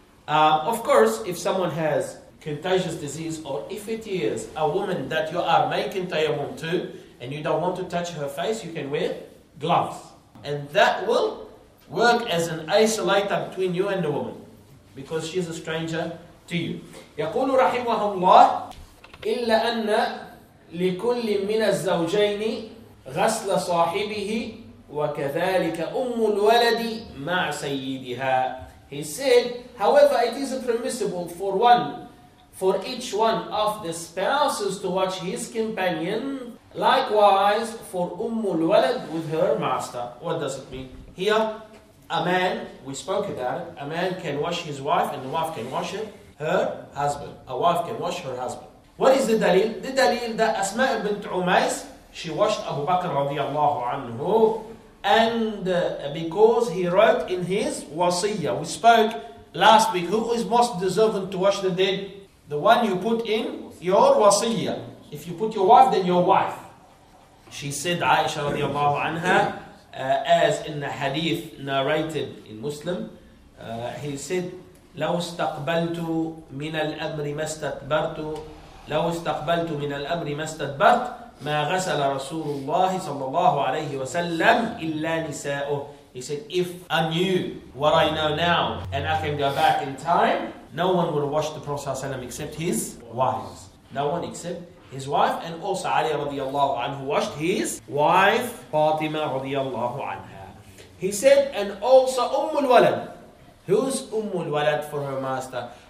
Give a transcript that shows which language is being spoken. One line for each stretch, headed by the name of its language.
English: Of course, if someone has contagious disease, or if it is a woman that you are making tayammum to, and you don't want to touch her face, you can wear gloves. And that will work as an isolator between you and the woman, because she's a stranger to you.
Arabic: يقول رحمه الله إلا أن لكل من الزوجين غسل صاحبه وكذلك أم الولد مع سيدها.
English: He said, however, it is permissible for each one of the spouses to watch his companion, likewise for Umm al-Walad with her master. What does it mean? Here, a man, we spoke about it, a man can wash his wife and the wife can wash her husband. A wife can wash her husband. What is the dalil? The dalil that Asma ibn Umays, she washed Abu Bakr radiallahu anhu, and because he wrote in his wasiyah, we spoke last week, who is most deserving to wash the dead? The one you put in your wasiyah. If you put your wife, then your wife. She said, Aisha radiallahu anha, as in the hadith narrated in Muslim, he said,
Arabic: لو استقبلت من الأمر ما استدبرت لو استقبلت من الأمر ما استدبرت ما غسل رسول الله صلى الله عليه وسلم إلا نساؤه.
English: He said, if I knew what I know now and I can go back in time, no one would wash the Prophet ﷺ except his wives. No one except his wife, and also Ali radiallahu anhu washed his wife Fatima radiallahu anha. He said, and also Umm al-Walad. Who's Umm al-Walad for her master?